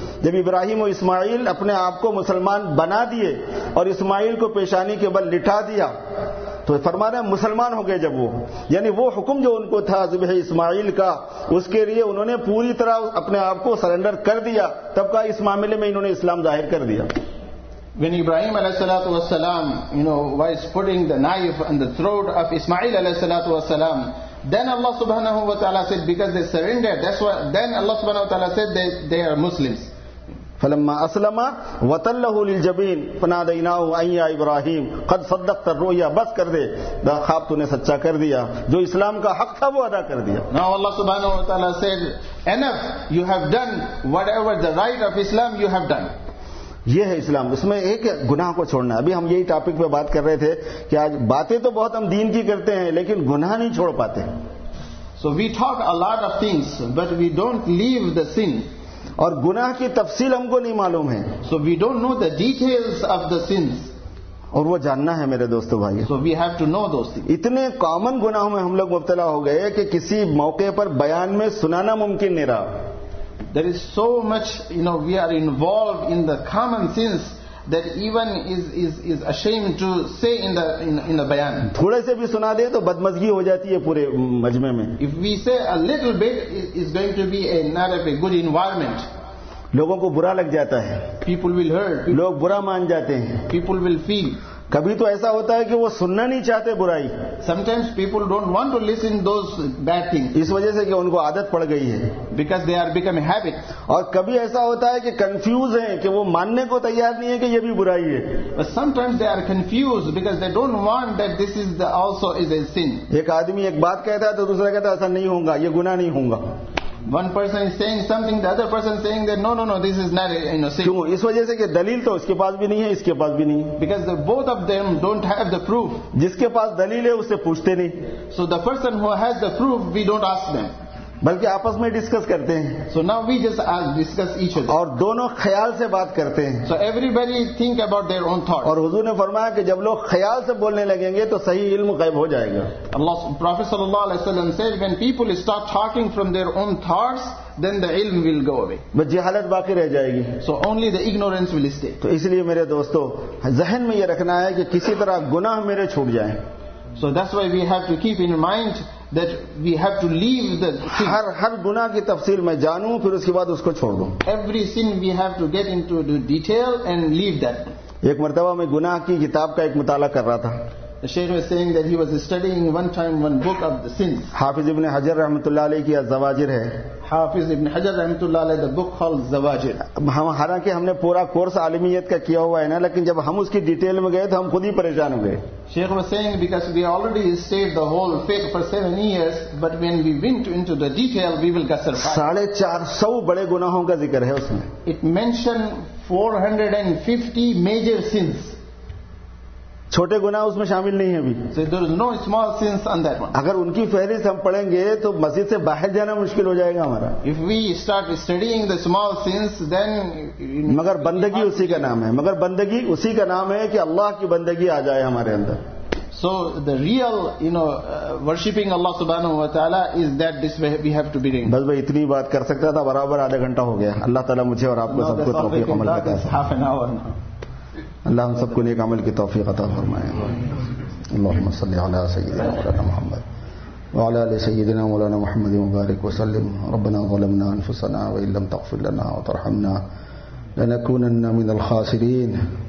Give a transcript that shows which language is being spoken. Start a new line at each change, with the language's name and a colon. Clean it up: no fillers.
Urdu: جب ابراہیم و اسماعیل اپنے آپ کو مسلمان بنا دیے اور اسماعیل کو پیشانی کے بل لٹا دیا تو فرما رہے ہیں مسلمان ہو گئے جب وہ, یعنی وہ حکم جو ان کو تھا ذبح اسماعیل کا اس کے لیے انہوں نے پوری طرح اپنے آپ کو سرنڈر کر دیا. تب کا اس معاملے میں انہوں نے اسلام ظاہر کر دیا.
English: When Ibrahim alayhi salatu was salam, you know, was putting the knife on the throat of Ismail alayhi salatu was salam, then Allah subhanahu wa ta'ala said, because they surrendered, that's why, then Allah subhanahu wa ta'ala said, they are Muslims.
Arabic: فلما اسلم وتله للجبين فناديناه اي يا ابراهيم قد صدقت الرؤيا.
Urdu: بس کر دے دا خواب تو نے سچا کر دیا, جو اسلام کا حق تھا وہ ادا کر دیا.
English: Now Allah subhanahu wa ta'ala said, enough, you have done whatever the right of Islam you have done.
Urdu: یہ ہے اسلام. اس میں ایک گناہ کو چھوڑنا. ابھی ہم یہی ٹاپک پہ بات کر رہے تھے کہ آج باتیں تو بہت ہم دین کی کرتے ہیں لیکن گناہ نہیں چھوڑ پاتے.
English: So we talk a lot of things but we don't leave the sin.
Urdu: اور گناہ کی تفصیل ہم کو نہیں معلوم ہے.
English: So we don't know the details of the sins.
Urdu: اور وہ جاننا ہے میرے دوستو بھائی.
English: So we have to know those things.
Urdu: اتنے کامن گناہوں میں ہم لوگ مبتلا ہو گئے کہ کسی موقع پر بیان میں سنانا ممکن نہیں رہا.
English: There is so much, you know, we are involved in the common sins that even is ashamed to say in the bayan.
Urdu: تھوڑے سے بھی سنا دے تو بدمزگی ہو جاتی ہے پورے مجمع میں.
English: If we say a little bit, is going to be not a good environment.
Urdu: لوگوں کو برا لگ جاتا ہے.
English: People will hurt.
Urdu: لوگ برا مان جاتے ہیں.
English: People will feel.
Urdu: کبھی تو ایسا ہوتا ہے کہ وہ سننا نہیں چاہتے برائی.
English: Sometimes people don't want to listen those bad things.
Urdu: اس وجہ سے کہ ان کو عادت پڑ گئی ہے.
English: Because they are become a habit.
Urdu: اور کبھی ایسا ہوتا ہے کہ کنفیوز ہیں کہ وہ ماننے کو تیار نہیں ہے کہ یہ بھی برائی ہے.
English: But sometimes they are confused because they don't want that this is the also is a sin.
Urdu: ایک آدمی ایک بات کہتا ہے تو دوسرا کہتا ہے ایسا نہیں ہوں گا, یہ گناہ نہیں ہوں گا.
English: One person is saying something, the other person is saying that no, this is not a sin.
Urdu: کیوں؟ اس وجہ سے کہ دلیل تو اس کے پاس بھی نہیں ہے, اس کے پاس بھی نہیں.
English: Because the both of them don't have the proof.
Urdu: جس کے پاس دلیل ہے اسے پوچھتے نہیں.
English: So the person who has the proof, we don't ask them.
Urdu: بلکہ آپس میں ڈسکس کرتے ہیں.
English: So now we just ask, discuss each other.
Urdu: اور دونوں خیال سے بات کرتے ہیں.
English: So everybody think about their own thought.
Urdu: اور حضور نے فرمایا کہ جب لوگ خیال سے بولنے لگیں گے تو صحیح علم غائب ہو جائے گا.
English: اللہ پروفیٹ صلی اللہ علیہ وسلم said, when people start talking from their own thoughts, then the ilm will go away.
Urdu: بس جہالت باقی رہ جائے گی.
English: So only the ignorance will stay.
Urdu: تو اس لیے میرے دوستو ذہن میں یہ رکھنا ہے کہ کسی طرح گناہ میرے چھوٹ جائیں.
English: So that's why we have to keep in mind that we have to leave the sin.
Urdu: ہر گناہ کی تفصیل میں جانوں پھر اس کے بعد اس کو چھوڑ دوں.
English: Every sin we have to get into the detail and leave that.
Urdu: ایک مرتبہ میں گناہ کی کتاب کا ایک مطالعہ کر رہا تھا.
English: The Shaykh was saying that he was studying one time one book of the sins.
Urdu: حافظ ابن حجر رحمت اللہ علیہ کی الزواجر ہے.
English: حافظ ابن حجر رحمت اللہ علیہ, the book called زواجر.
Urdu: حالانکہ ہم نے پورا کورس عالمیت کا کیا ہوا ہے نا, لیکن جب ہم اس کی ڈیٹیل میں گئے تو ہم خود ہی پریشان ہو گئے.
English: Shaykh was saying because we already stayed the whole faith for 7 years, but when we went into the detail, we will get surprised.
Urdu: 450 بڑے گناہوں کا ذکر ہے اس میں.
English: It mentioned 450 major sins.
Urdu: چھوٹے گناہ اس میں شامل نہیں ہیں ابھی.
English: So there is no small sins on that one.
Urdu: اگر ان کی فہرست ہم پڑھیں گے تو مسجد سے باہر جانا مشکل ہو جائے گا ہمارا.
English: If we start studying the small sins, then
Urdu: مگر بندگی اسی کا نام ہے. مگر بندگی اسی کا نام ہے کہ اللہ کی بندگی آ جائے ہمارے اندر.
English: So the real, you know, worshipping Allah subhanahu wa ta'ala is that this way we have to be doing.
Urdu: بس میں اتنی بات کر سکتا تھا برابر آدھا گھنٹہ ہو گیا اللہ تعالیٰ مجھے اور آپ کو سب کو توفیق عمل کی توفیق عطا فرمائے اللہ ہم سب کو نیک عمل کی توفیق عطا فرمائے
Arabic: اللهم صل علی سیدنا مولانا محمد وعلى آل سيدنا مولانا محمد مبارك وسلم ربنا ظلمنا أنفسنا وإن لم تغفر لنا وترحمنا لنكونن من الخاسرين